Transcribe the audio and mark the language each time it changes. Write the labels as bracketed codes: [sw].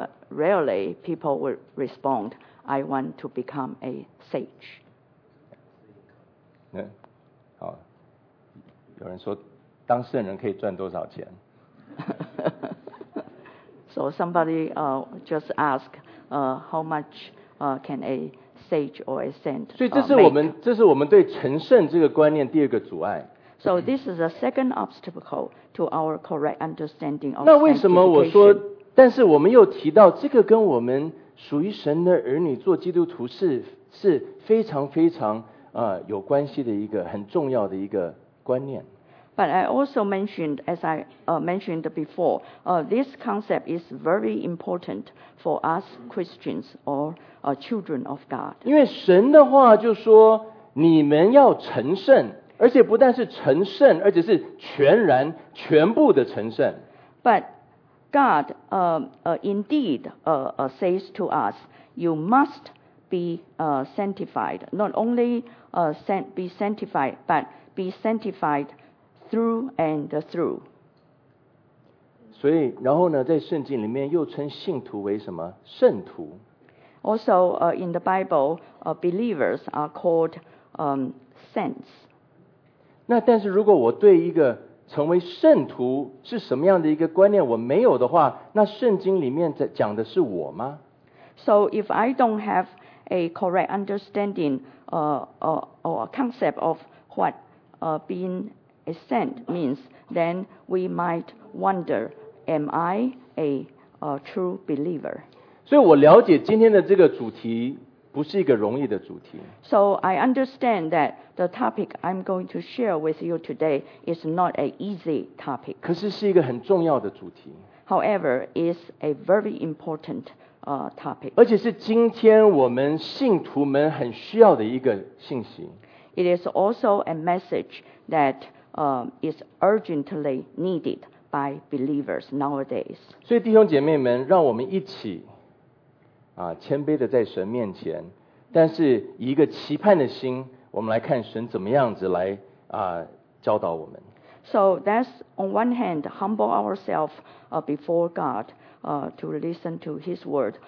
[en] Rarely people would respond, I want to become a sage. [zh] Yeah, 好有人说当圣人可以赚多少钱 [en] So somebody just asked, how much... can a sage or a saint make? [zh] 所以这是我们对成圣这个观念第二个阻碍。 [en] So this is the second obstacle to our correct understanding of [zh] sanctification. 那为什么我说？但是我们又提到这个跟我们属于神的儿女做基督徒是非常非常有关系的一个很重要的一个观念。 [en] But I also mentioned, as I mentioned before, this concept is very important for us Christians or children of God. [zh] 因为神的话就说你们要成圣，而且不但是成圣，而且是全然、全部的成圣。 [en] But God indeed says to us, you must be sanctified. Not only be sanctified, but be sanctified through and through. [zh] 所以，然后呢，在圣经里面又称信徒为什么？圣徒。 [en] Also, in the Bible, believers are called saints. [zh] 那但是如果我对一个成为圣徒是什么样的一个观念我没有的话，那圣经里面在讲的是我吗？ [en] So if I don't have a correct understanding or concept of what being a saint means, then we might wonder, am I a true believer? [zh] 所以我了解今天的这个主题不是一个容易的主题。 [en] So I understand that the topic I'm going to share with you today is not an easy topic. [zh] 可是是一个很重要的主题。 [en] However, it's a very important topic. [zh] 而且是今天我们信徒们很需要的一个信息。 [en] It is also a message that is urgently needed by believers nowadays. [zh] 所以弟兄姐妹们，让我们一起谦卑的在神面前，但是以一个期盼的心，我们来看神怎么样子来教导我们。 [en] So that's on one hand, humble ourselves before God to listen to His word.